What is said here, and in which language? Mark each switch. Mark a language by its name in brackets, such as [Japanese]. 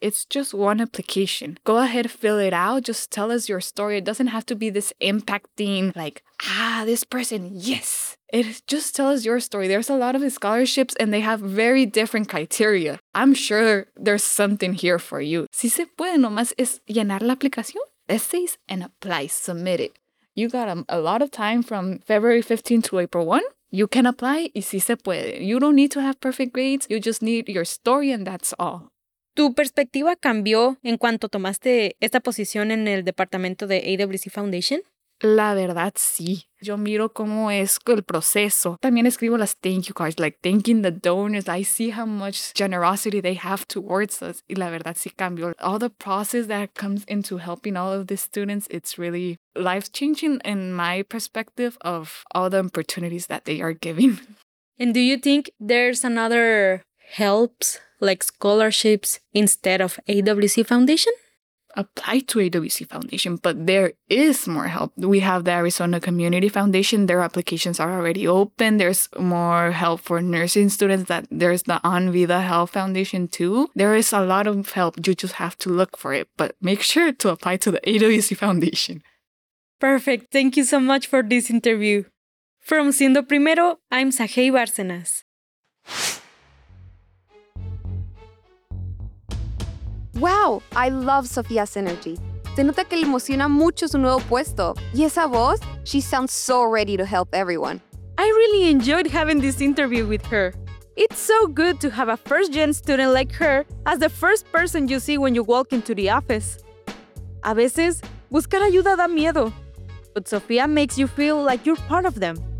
[English] It's just one application. Go ahead, fill it out. Just tell us your story. It doesn't have to be this impacting, like, this person, yes. It just tell us your story. There's a lot of scholarships and they have very different criteria. I'm sure there's something here for you. [Spanish] Si se puede, nomás es llenar la aplicación. [English] essays and apply, submit it. You got a lot of time from February 15 to April 1. You can apply, y si se puede. You don't need to have perfect grades. You just need your story and that's all. [Spanish] ¿Tu perspectiva cambió en cuanto tomaste esta posición en el departamento de AWC Foundation? La verdad, sí. Yo miro cómo es el proceso. También escribo las thank you cards, like thanking the donors. [English] I see how much generosity they have towards us. Y la verdad, sí cambió. All the process that comes into helping all of these students, it's really life-changing in my perspective of all the opportunities that they are giving. And do you think there's another helps, like scholarships, instead of AWC Foundation? Apply to AWC Foundation, but there is more help. We have the Arizona Community Foundation. Their applications are already open. There's more help for nursing students. That there's the Anvida Health Foundation too. There is a lot of help. You just have to look for it, but make sure to apply to the AWC Foundation. Perfect. Thank you so much for this interview. From Siendo Primero, I'm Sahei Bárcenas. Wow, I love Sofía's energy. [Spanish] Se nota que le emociona mucho su nuevo puesto. [English] Y esa voz, she sounds so ready to help everyone. I really enjoyed having this interview with her. It's so good to have a first-gen student like her as the first person you see when you walk into the office. [Spanish] A veces, buscar ayuda da miedo. [English] But Sofía makes you feel like you're part of them.